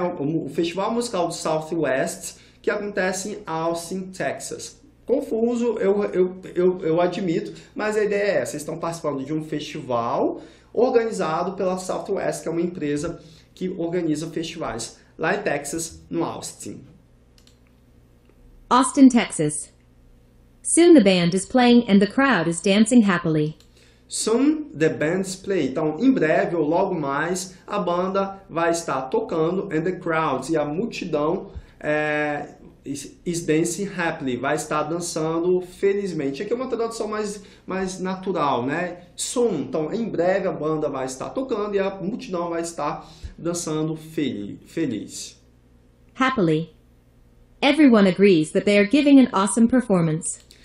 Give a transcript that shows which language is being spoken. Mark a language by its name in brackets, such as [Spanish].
[Portuguese] O Festival Musical do Southwest, que acontece em Austin, Texas. Confuso, eu admito, mas a ideia é essa, vocês estão participando de um festival organizado pela Southwest, que é uma empresa que organiza festivais lá em Texas, no Austin. [English] Austin, Texas. Soon the band is playing and the crowd is dancing happily. Soon the band's play. [Portuguese] Então, em breve ou logo mais, a banda vai estar tocando [English] and the crowds [Portuguese] e a multidão [English] is dancing happily, [Portuguese] vai estar dançando felizmente. Aqui é uma tradução mais natural, né? Soon, então em breve a banda vai estar tocando e a multidão vai estar dançando feliz. [English] Happily. Everyone agrees that they are giving an awesome performance.